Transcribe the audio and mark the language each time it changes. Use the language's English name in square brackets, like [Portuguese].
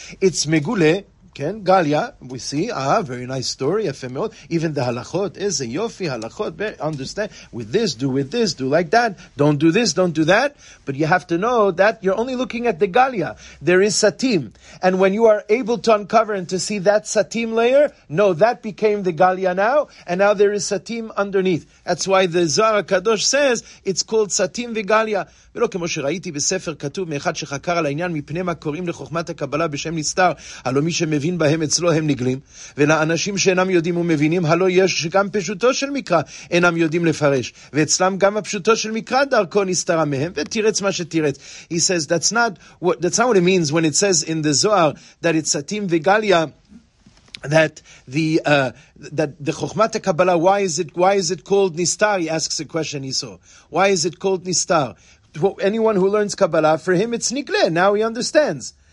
[English] It's megule, okay, galia, we see, very nice story, efemeot, even the halachot, is a yofi halachot, understand, with this, do with this, do like that, don't do this, don't do that, but you have to know that you're only looking at the galia, there is satim, and when you are able to uncover and to see that satim layer, no, that became the galia now, and now there is satim underneath. That's why the Zohar HaKadosh says, it's called satim vegalia. [Hebrew] ולא כמו שראיתי בספר כתוב מאחד שחקר על העניין מפני מה קוראים לחוכמת הקבלה בשם נסתר, הלא מי שמבין בהם אצלו הם נגלים, ולאנשים שאינם יודעים ומבינים, הלא יש גם פשוטו של מקרא אינם יודעים לפרש, ואצלם גם הפשוטו של מקרא דרכו נסתרה מהם, ותירץ מה שתירץ. [English] He says, that's not what it means when it says in the Zohar that it's satim וגליה, that the Chochmat HaKabbalah, why is it called Nistar? He asks a question, he saw. Why is it called Nistar? Anyone who learns Kabbalah, for him it's Nigle, now he understands.